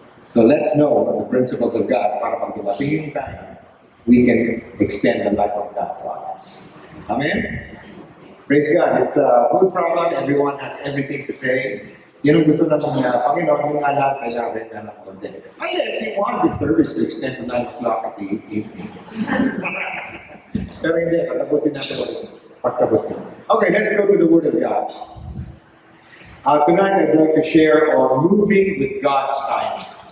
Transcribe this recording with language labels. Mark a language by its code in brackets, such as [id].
[en] So let's know the principles of God [tl] para pag dumating yung time, [en] we can extend the life of God to others. Amen? Praise God. It's a good problem. Everyone has everything to say. [tl] Yan ang gusto na mong Panginoon, yung alam, kailangan na lang konti. [en] Unless you want this service to extend to 9 o'clock at the evening. [tl] Pero hindi, patapusin natin ulit. Pagtapos na. [en] Okay, let's go to the Word of God. Tonight I'd like to share on moving with God's timing.